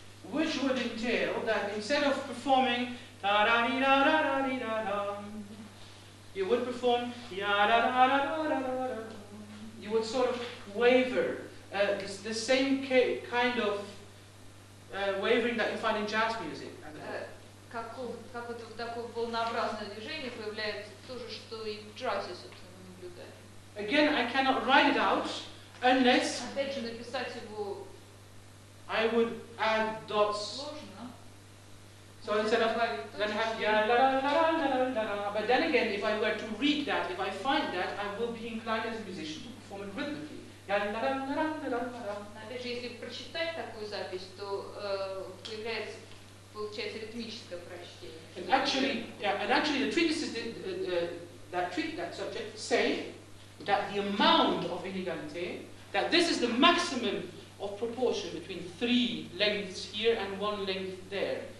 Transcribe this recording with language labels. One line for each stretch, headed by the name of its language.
English: Which would entail that instead of performing ta-ra-di-da-ra-ra-di-da-da, you would perform ya-ra-ra-ra-ra-ra-ra-ra. You would sort of waver, the same kind of wavering that you find in jazz music.
Russian: Какое-то такое волнообразное движение появляется то же, что и в джазе, собственно, наблюдаем.
English: Again, I cannot write it out unless.
Russian: Опять же, написать его.
English: I would add dots.
Russian: Сложно.
English: So instead of then have ya la la la la la la la, but then again, if I were to read that, if I find that, I will be inclined as a musician.
Russian: Опять же, если прочитать такую запись, то получается ритмическое прочтение.
English: And actually, the treatises that treat that subject say that the amount of inegalite, that this is the maximum of proportion between three lengths here and one length there.